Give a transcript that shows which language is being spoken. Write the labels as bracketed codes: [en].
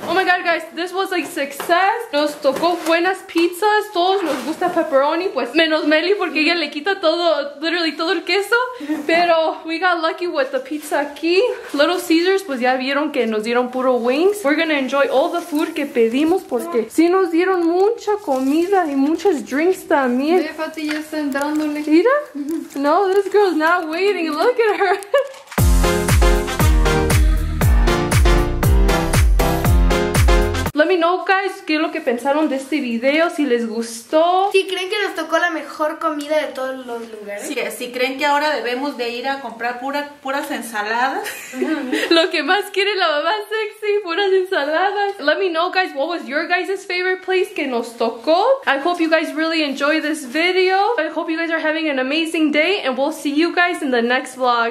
[en] Oh my god, guys, this was a success. [es] Nos tocó buenas pizzas. Todos nos gusta pepperoni, pues menos Meli porque ella le quita todo, literally todo el queso. Pero [en] we got lucky with the pizza [es] aquí. Little Caesars, pues ya vieron que nos dieron puro wings. [en] We're gonna enjoy all the food [es] que pedimos porque sí nos dieron mucha comida y muchos drinks también. Ve, Fati ya está entrándole. [en] Mira. No, this girl's not waiting. Look at her. Let me know, guys, [es] qué es lo que pensaron de este video, si les gustó. Si creen que nos tocó la mejor comida de todos los lugares. Sí, si creen que ahora debemos de ir a comprar puras ensaladas. Lo que más quiere la mamá sexy, puras ensaladas. [en] Let me know, guys, what was your guys' favorite place [es] que nos tocó. [en] I hope you guys really enjoy this video. I hope you guys are having an amazing day, and we'll see you guys in the next vlog.